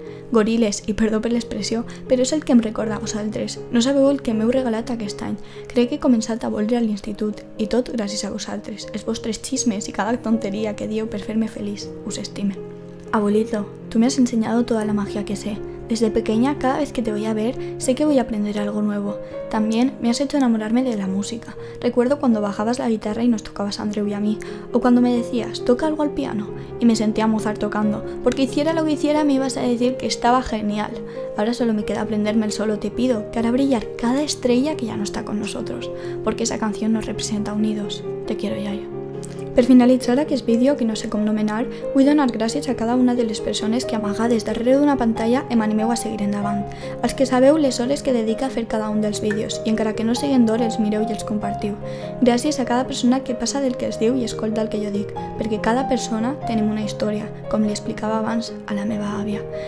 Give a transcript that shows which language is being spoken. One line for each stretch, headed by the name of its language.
Catalan: Goriles, i perdó per l'expressió, però és el que em recorda a vosaltres. No sabeu el que m'heu regalat aquest any. Crec que he començat a voler a l'institut i tot gràcies a vosaltres, els vostres xismes i cada tonteria que dieu per fer-me feliç. Us estime. Abuelito, tu m'has ensenyat tota la màgia que sé.
Spanish: Desde pequeña, cada vez que te voy a ver, sé que voy a aprender algo nuevo. También me has hecho enamorarme de la música. Recuerdo cuando bajabas la guitarra y nos tocabas a Andreu y a mí, o cuando me decías, toca algo al piano, y me sentía Mozart tocando, porque hiciera lo que hiciera me ibas a decir que estaba genial. Ahora solo me queda aprenderme el solo, te pido, que hará brillar cada estrella que ya no está con nosotros, porque esa canción nos representa unidos. Te quiero, Yayo.
Catalan: Per finalitzar aquest vídeo, que no sé com nomenar, vull donar gràcies a cada una de les persones que amagades darrere d'una pantalla em animeu a seguir endavant. Els que sabeu les hores que dedica a fer cada un dels vídeos, i encara que no siguin d'hora els mireu i els compartiu. Gràcies a cada persona que passa del que es diu i escolta el que jo dic, perquè cada persona tenim una història, com li explicava abans a la meva àvia.